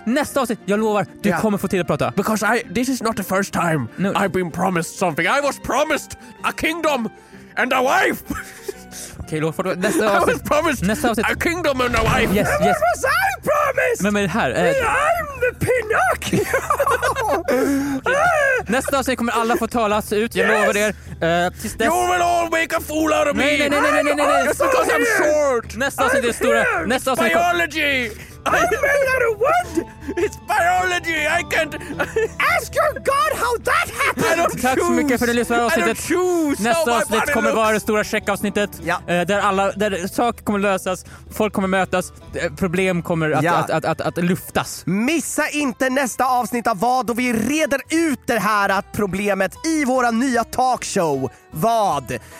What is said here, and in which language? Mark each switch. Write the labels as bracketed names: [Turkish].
[Swedish] nästa avsnitt, jag lovar, du kommer få tid att prata. [English] Because this is not the first time I've been promised something. I was promised a kingdom and a wife. [Swedish] Okay, Lord Farquaad, nästa avsnitt. [English] I was promised a kingdom and a wife. Yes. What was I promised? [Swedish] Men det här, [English] I'm the Pinocchio. [Swedish] Nästa avsnitt kommer alla få talas ut. Jag lovar er. Tills dess. [English] You will all make a fool out of me. [Swedish] Nej. [English] It's because I'm short. [Swedish] Nästa avsnitt är stora. Nästa avsnitt. [English] Biology. I'm made out of wood. It's biology. I can't ask your god how that happened. [Swedish] Tack så mycket för det lyssnade avsnittet. Nästa avsnitt kommer vara det stora checkavsnittet. Där saker kommer lösas, folk kommer mötas, problem kommer att luftas. Missa inte nästa avsnitt av Vad, då vi reder ut det här att problemet i våra nya talkshow Vad.